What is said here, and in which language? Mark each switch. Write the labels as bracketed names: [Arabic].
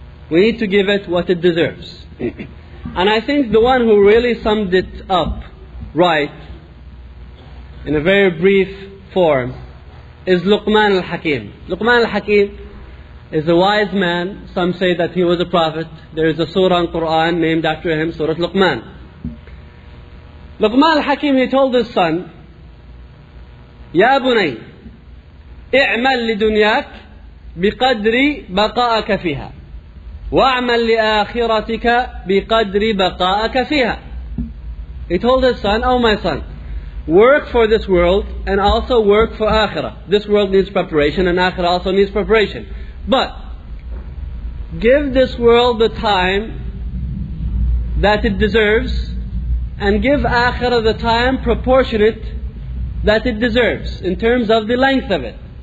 [English] We need to give it what it deserves. And I think the one who really summed it up right in a very brief form is Luqman al-Hakim. Luqman al-Hakim is a wise man. Some say that he was a prophet. There is a surah in Quran named after him, Surah Luqman. [Arabic] Luqman al-Hakim, [English] he told his son, [Arabic] Ya Bunay, اعمل لدنياك بقدر بقائك فيها واعمل لآخرتك بقدر بقائك فيها. [English] He told his son, Oh my son, work for this world and also work for Akhirah. This world needs preparation and Akhirah also needs preparation. But give this world the time that it deserves and give Akhirah the time proportionate that it deserves in terms of the length of it.